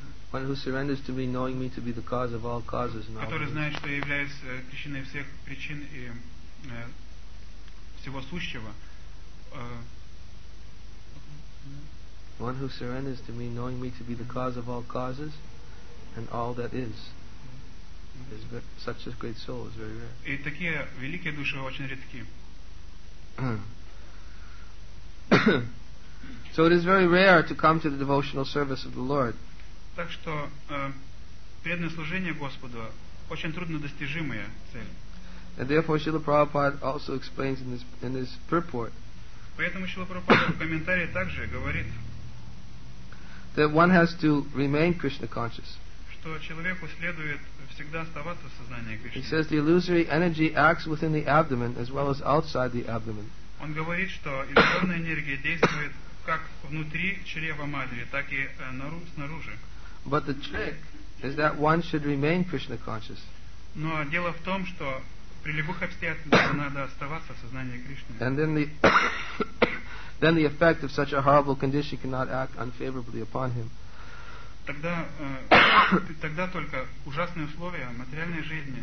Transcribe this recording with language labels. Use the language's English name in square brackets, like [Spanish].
[English] one who surrenders to me, knowing me to be the cause of all causes and all [Russian] который знает, что я являюсь причиной всех причин и всего сущего. [English] One who surrenders to me, knowing me to be the cause of all causes and all that is such a great soul, is very rare. [Russian] И такие великие души очень редки. [English] So it is very rare to come to the devotional service of the Lord. [Russian] Так что преданное служение Господу очень труднодостижимая цель. [English] And therefore, Srila Prabhupada also explains in this purport. [Russian] Поэтому Srila Prabhupada в комментарии также говорит. [English] That one has to remain Krishna conscious. [Russian] Что человеку следует всегда оставаться в сознании Кришны. [English] He says the illusory energy acts within the abdomen as well as outside the abdomen. [Russian] Он говорит, что иллюзорная энергия действует как внутри чрева матери, так и снаружи. [English] But the trick is that one should remain Krishna conscious. [Russian] Но дело в том, что при любых обстоятельствах надо оставаться в сознании Кришны. [English] And then the effect of such a horrible condition cannot act unfavorably upon him. [Russian] Тогда только ужасные условия материальной жизни.